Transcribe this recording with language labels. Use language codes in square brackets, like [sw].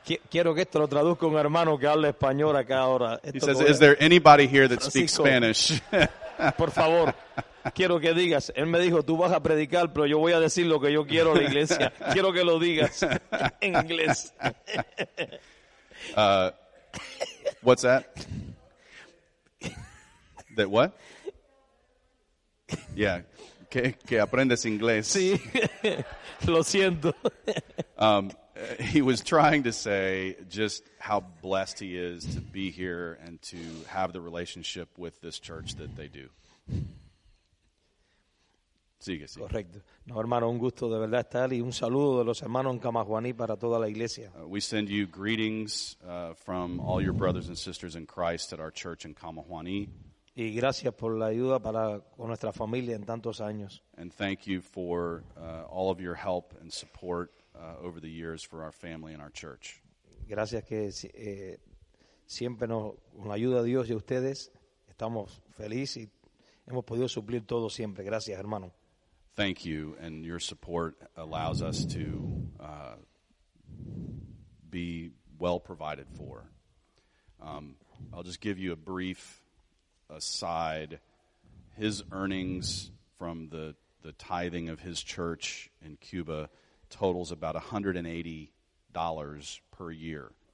[es] Quiero que esto lo traduzca un hermano que hable español acá ahora. [en] He says, is there anybody here that speaks Spanish? [es] Por favor. Quiero que digas, él me dijo, tú vas a predicar, pero yo voy a decir lo que yo quiero a la iglesia. Quiero que lo digas en inglés. [en] What's that? That what? Yeah, [es] que aprendes inglés. Sí, lo siento. [en] He was trying to say just how blessed he is to be here and to have the relationship with this church that they do. [es] Sigue. Correcto. No, hermano, un gusto de verdad estar y un saludo de los hermanos en Camajuaní para toda la iglesia. [en] We send you greetings from all your brothers and sisters in Christ at our church in Camajuaní. [es] Y gracias por la ayuda para con nuestra familia en tantos años. [en] And thank you for all of your help and support over the years for our family and our church. [es] Gracias que siempre nos con la ayuda de Dios y ustedes estamos felices y hemos podido suplir todo siempre. Gracias, hermano. [en] Thank you, and your support allows us to be well provided for. I'll just give you a brief aside. His earnings from the tithing of his church in Cuba totals about $180 per year.